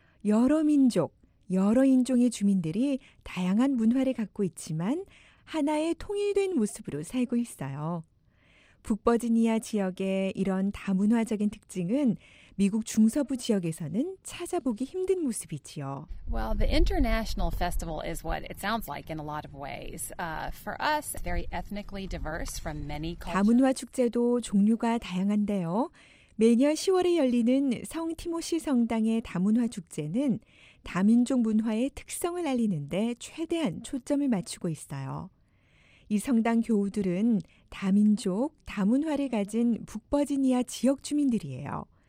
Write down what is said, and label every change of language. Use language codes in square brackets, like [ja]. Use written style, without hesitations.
[ko] 여러 민족, 여러 인종의 주민들이 다양한 문화를 갖고 있지만 하나의 통일된 모습으로 살고 있어요. 북버지니아 지역의 이런 다문화적인 특징은 미국 중서부 지역에서는 찾아보기 힘든 모습이지요. [en] Well, the international festival is what it sounds like in a lot of ways. For us, very ethnically diverse from many cultures. [ko] 다문화 축제도 종류가 다양한데요. 매년 10월에 열리는 성 티모시 성당의 다문화 축제는 다민족 문화의 특성을 알리는 데 최대한 초점을 맞추고 있어요. 이 성당 교우들은 다민족, 다문화를 가진 북버지니아 지역 주민들이에요.